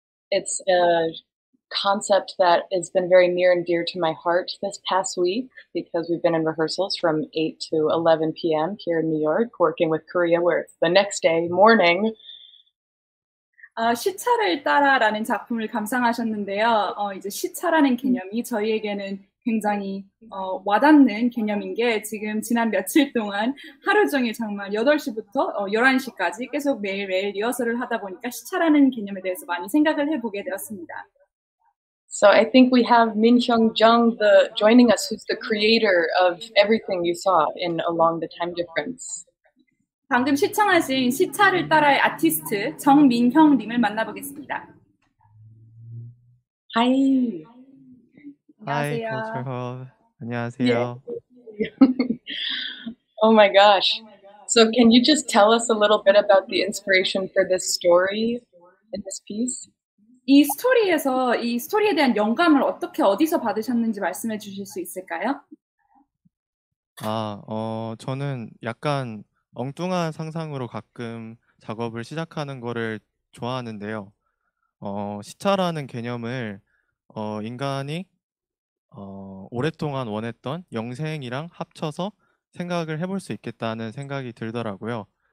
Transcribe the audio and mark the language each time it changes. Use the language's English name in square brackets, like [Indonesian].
[English] It's a concept that has been very near and dear to my heart this past week because we've been in rehearsals from 8 to 11 p.m. here in New York, working with Korea, where it's the next day, morning. [Korean] 시차를 따라라는 작품을 감상하셨는데요. 이제 시차라는 개념이 저희에게는 굉장히 와닿는 개념인 게 지금 지난 며칠 동안 하루 종일 정말 8시부터 11시까지 계속 매일매일 리허설을 하다 보니까 시차라는 개념에 대해서 많이 생각을 해보게 되었습니다. [English] So I think we have Minhyung Jung the joining us, who's the creator of everything you saw in Along the Time Difference. [Korean] 방금 시청하신 시차를 따라의 아티스트 정민형 님을 만나보겠습니다. [English] Hi. Hi, CultureHub. [Korean] 안녕하세요. [English] Oh my gosh. So can you just tell us a little bit about the inspiration for this story in this piece? [Korean] 이 스토리에서 이 스토리에 대한 영감을 어떻게 어디서 받으셨는지 말씀해 주실 수 있을까요? 아, 저는 약간 엉뚱한 상상으로 가끔 작업을 시작하는 거를 좋아하는데요. 시차라는 개념을 인간이 오랫동안 원했던 영생이랑 합쳐서 생각을 해볼 수 있겠다는 생각이 들더라고요.